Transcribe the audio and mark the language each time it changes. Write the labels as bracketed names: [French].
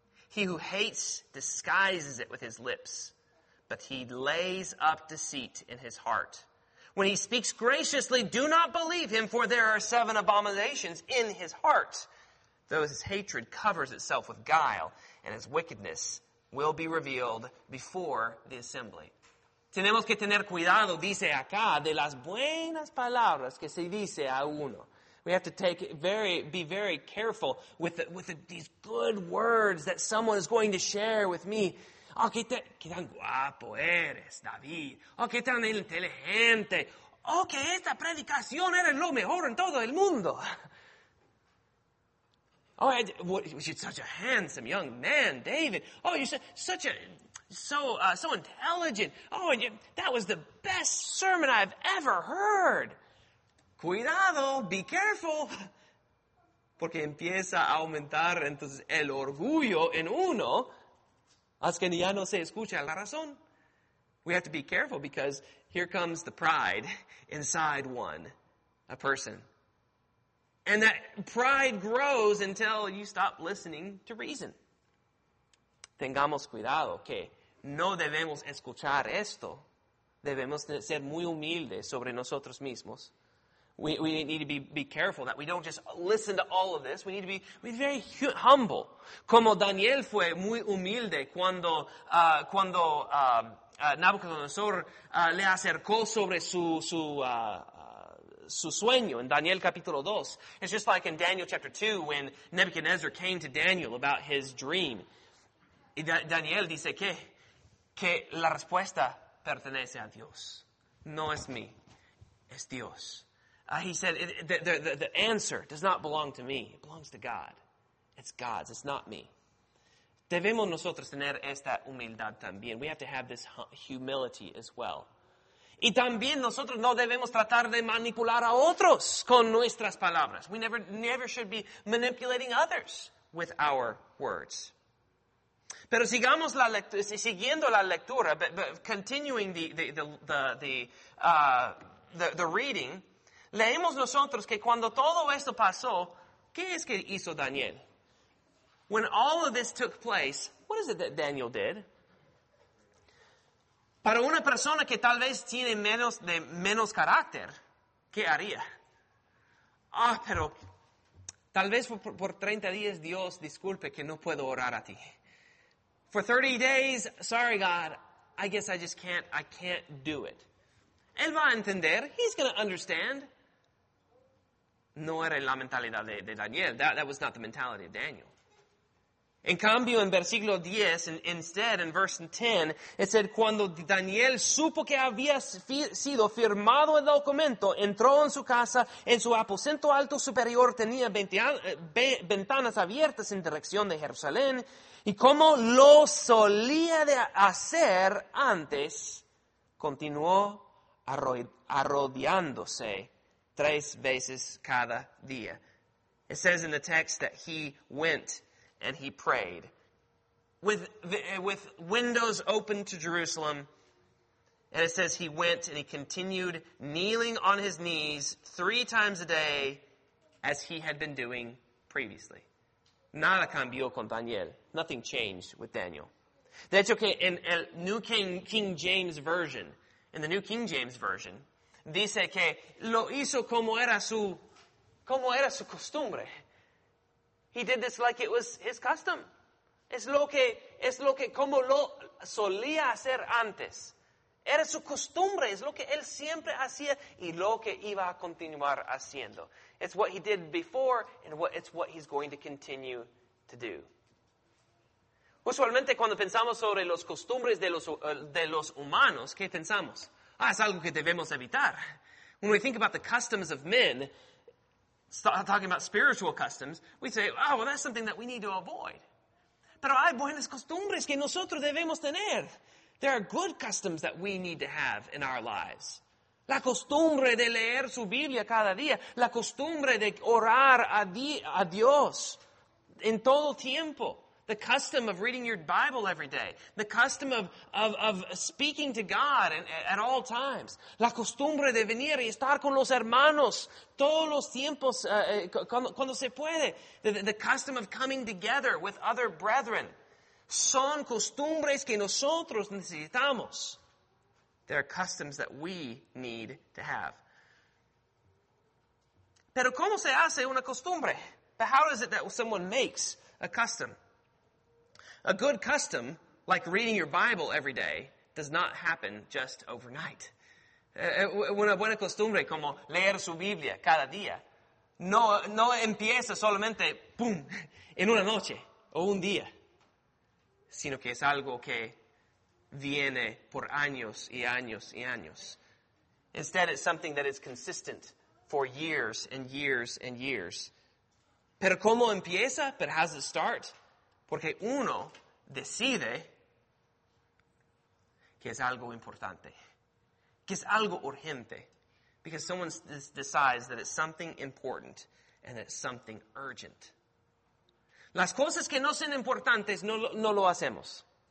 [English] He who hates disguises it with his lips, but he lays up deceit in his heart. When he speaks graciously, do not believe him, for there are seven abominations in his heart. Though his hatred covers itself with guile, and his wickedness will be revealed before the assembly. [Spanish] Tenemos que tener cuidado, dice acá, de las buenas palabras que se dice a uno. [English] We have to be very careful with these good words that someone is going to share with me. [Spanish] Oh, qué tan guapo eres, David. Oh, qué tan inteligente. Oh, que esta predicación era lo mejor en todo el mundo. [English] Oh, you're such a handsome young man, David. Oh, you're so intelligent. Oh, and that was the best sermon I've ever heard. [Spanish] Cuidado, [English] be careful. [Spanish] Porque empieza a aumentar entonces el orgullo en uno. Hasta que ya no se escucha la razón. [English] We have to be careful because here comes the pride inside one, a person. And that pride grows until you stop listening to reason. [Spanish] Tengamos cuidado que no debemos escuchar esto. Debemos ser muy humildes sobre nosotros mismos. [English] We need to be careful that we don't just listen to all of this. We need to be very humble. [Spanish] Como Daniel fue muy humilde cuando Nabucodonosor le acercó sobre su sueño en Daniel capítulo 2. [English] It's just like in Daniel chapter 2 when Nebuchadnezzar came to Daniel about his dream. [Spanish] Y Daniel dice que la respuesta pertenece a Dios. No es mí, es Dios. [English] He said, the answer does not belong to me. It belongs to God. It's God's. It's not me. [Spanish] Debemos nosotros tener esta humildad también. [English] We have to have this humility as well. [Spanish] Y también nosotros no debemos tratar de manipular a otros con nuestras palabras. [English] We never should be manipulating others with our words. [Spanish] Pero sigamos la lectura, siguiendo la lectura, [English] but continuing the reading. [Spanish] Leemos nosotros que cuando todo esto pasó, ¿qué es que hizo Daniel? [English] When all of this took place, what is it that Daniel did? [Spanish] Para una persona que tal vez tiene menos carácter, ¿qué haría? Ah, pero tal vez por 30 días, Dios, disculpe que no puedo orar a ti. [English] For 30 days, sorry God, I guess I just can't, I can't do it. [Spanish] Él va a entender, [English] he's going to understand. [Spanish] No era la mentalidad de Daniel. [English] That was not the mentality of Daniel. [Spanish] En cambio, en versículo 10, [English] in verse 10, it said, [Spanish] cuando Daniel supo que había sido firmado el documento, entró en su casa, en su aposento alto superior, tenía 20 ventanas abiertas en dirección de Jerusalén, y como lo solía de hacer antes, continuó arrodillándose tres veces cada día. [English] It says in the text that he went and he prayed. With windows open to Jerusalem. And it says he went and he continued kneeling on his knees three times a day as he had been doing previously. [Spanish] Nada cambió con Daniel. [English] Nothing changed with Daniel. [Spanish] De hecho que en el New King James Version, dice que lo hizo como era su costumbre. [English] He did this like it was his custom. [Spanish] Es lo que como lo solía hacer antes. Era su costumbre. Es lo que él siempre hacía y lo que iba a continuar haciendo. [English] It's what he did before and it's what he's going to continue to do. [Spanish] Usualmente cuando pensamos sobre las costumbres de los humanos, ¿qué pensamos? Ah, es algo que debemos evitar. [English] When we think about the customs of men, talking about spiritual customs, we say, oh, well, that's something that we need to avoid. [Spanish] Pero hay buenas costumbres que nosotros debemos tener. [English] There are good customs that we need to have in our lives. [Spanish] La costumbre de leer su Biblia cada día. La costumbre de orar a Dios en todo tiempo. [English] The custom of reading your Bible every day. The custom of speaking to God at all times. [Spanish] La costumbre de venir y estar con los hermanos todos los tiempos cuando se puede. [English] The custom of coming together with other brethren. [Spanish] Son costumbres que nosotros necesitamos. [English] They're customs that we need to have. [Spanish] Pero ¿cómo se hace una costumbre? [English] But how is it that someone makes a custom? A good custom, like reading your Bible every day, does not happen just overnight. [Spanish] Una buena costumbre, como leer su Biblia cada día, no empieza solamente pum en una noche o un día, sino que es algo que viene por años y años y años. [English] Instead, it's something that is consistent for years and years and years. [Spanish] Pero ¿cómo empieza? [English] But how does it start? [Spanish] Porque uno decide que es algo importante, que es algo urgente. [English] Because someone decides that it's something important and it's something urgent. [Spanish] Las cosas que no son importantes no lo hacemos.